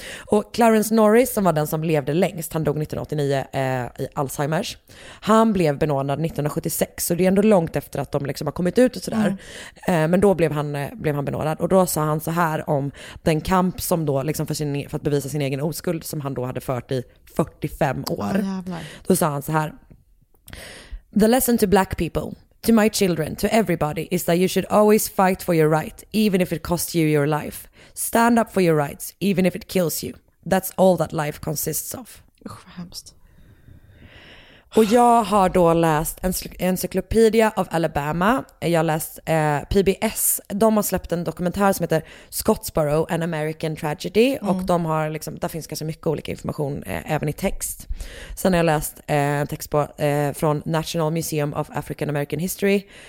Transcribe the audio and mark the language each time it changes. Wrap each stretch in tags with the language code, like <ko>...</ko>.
<sv>Och Clarence Norris, som var den som levde längst, han dog 1989 i Alzheimers. Han blev benådad 1976, så det är ändå långt efter att de liksom har kommit ut och sådär. Men då blev han benådad. Och då sa han så här om den kamp som då liksom för att bevisa sin egen oskuld som han då hade fört i 45 år. Oh, då sa han så här:</sv> <en>"The lesson to black people, to my children, to everybody is that you should always fight for your right, even if it costs you your life. Stand up for your rights, even if it kills you. That's all that life consists of."</en> <sv>Usch, vad hemskt. Och jag har då läst Encyclopedia of Alabama. Jag har läst PBS. De har släppt en dokumentär som heter Scottsboro, an American Tragedy. Mm. Och de har liksom, där finns ganska mycket olika information även i text. Sen har jag läst en text från National Museum of African American History.</sv>